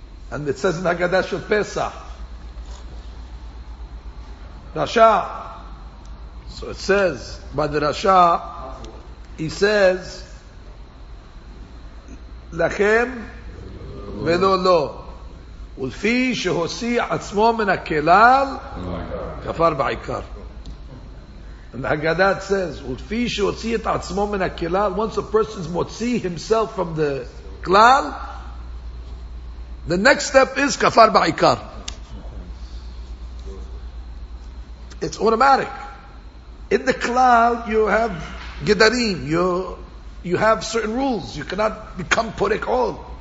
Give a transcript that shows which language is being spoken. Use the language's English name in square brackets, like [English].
[English] And it says in Haggadah Shel Pesach, Rasha. So it says by the Rasha, he says, Lachem ולא לא. [Hebrew] ולפי שהוציא עצמו מן הכלל, כפר בעיקר. [English] And the Haggadah says, [Hebrew] ולפי שהוציא את עצמו מן הכלל, [English] once a person מוציא himself from the כלל, the next step is כפר בעיקר. It's automatic. In the כלל, you have גדרים, you have certain rules, you cannot become פורק עול.